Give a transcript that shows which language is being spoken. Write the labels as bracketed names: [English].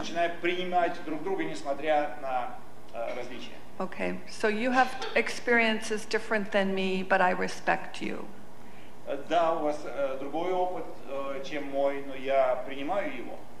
[Russian] Начинаем принимать друг друга, несмотря на различия. [English] Okay, so you have experiences different than me, but I respect you. [Russian] Да, у вас другой опыт, чем мой, но я принимаю его.